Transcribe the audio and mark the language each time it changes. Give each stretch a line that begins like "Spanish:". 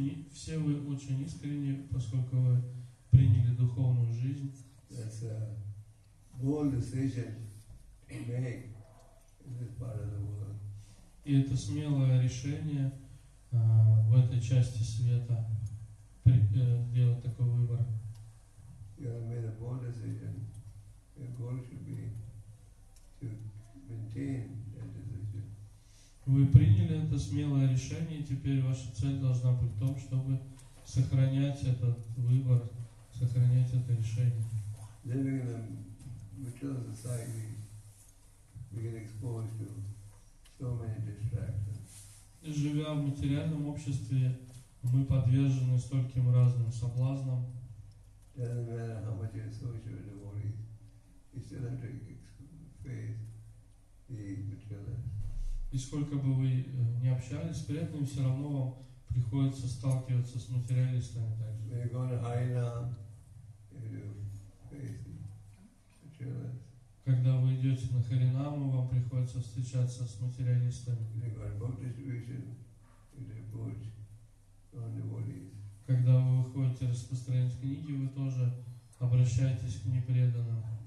Russian: Все вы очень искренне, поскольку вы приняли духовную жизнь.
English: That's a bold decision to make in this part of the world.
Russian: И это смелое решение в этой части света делать такой выбор.
English: You have made a bold decision. Your goal should be to maintain that decision.
Russian: Вы приняли это смелое решение, и теперь ваша цель должна быть в том, чтобы сохранять этот выбор, сохранять это решение.
English: Living in a material society, we get exposed to so many distractions.
Russian: Живя в материальном обществе, мы подвержены стольким разным соблазнам.
English: Doesn't matter how much you associate with devotees, you still have to face the materialist.
Russian: И сколько бы вы ни общались с преданными, все равно вам приходится сталкиваться с материалистами также.
English: When you go to Hainan, you face the materialist.
Russian: Когда вы идете на Харинаму, вам приходится встречаться с материалистами.
English: When you go to book distribution, you approach non-devotees.
Russian: Когда вы выходите распространять книги, вы тоже обращаетесь к непреданным.